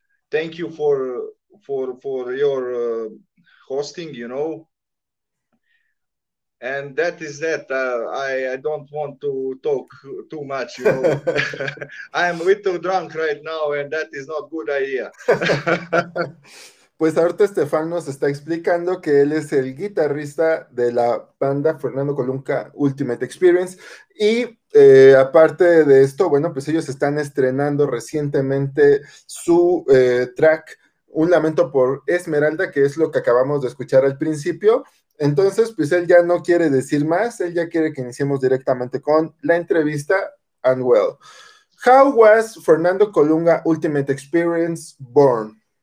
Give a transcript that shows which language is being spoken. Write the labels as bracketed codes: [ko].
[en] Thank you for your hosting, you know. And that is that. I don't want to talk too much, you know. I am a little drunk right now, and that is not good idea. [es] Pues ahorita Estefan nos está explicando que él es el guitarrista de la banda Fernando Colunga Ultimate Experience. Y aparte de esto, bueno, pues ellos están estrenando recientemente su track Un Lamento por Esmeralda, que es lo que acabamos de escuchar al principio. Entonces, pues él ya no quiere decir más, él ya quiere que iniciemos directamente con la entrevista. [en] And well, how was Fernando Colunga Ultimate Experience born?